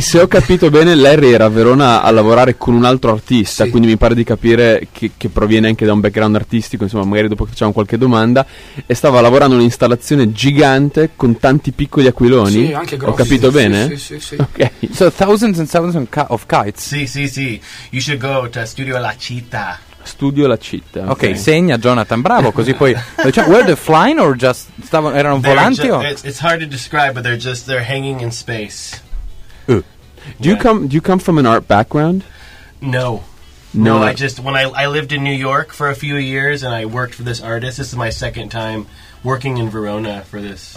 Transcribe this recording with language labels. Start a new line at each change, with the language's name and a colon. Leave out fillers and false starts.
Italian: Se ho capito bene, Larry era a Verona a lavorare con un altro artista, sì, quindi mi pare di capire che proviene anche da un background artistico, insomma, magari dopo facciamo qualche domanda, e stava lavorando un'installazione gigante con tanti piccoli aquiloni. Sì, anche grossi. Ho capito sì, bene? Sì, sì, sì. Ok.
English: So, thousands and thousands of kites.
Italian: Sì, sì, sì.
English: You should go to Studio La Città.
Italian: Studio La Città. Ok, okay, segna Jonathan, bravo, così poi...
English: Cioè, were they flying or just...
Italian: erano volanti o...
English: It's hard to describe, but they're hanging in space. Do you come from an art background? No. No, no, I lived in New York for a few years and I worked for this artist. This is my second time working in Verona for this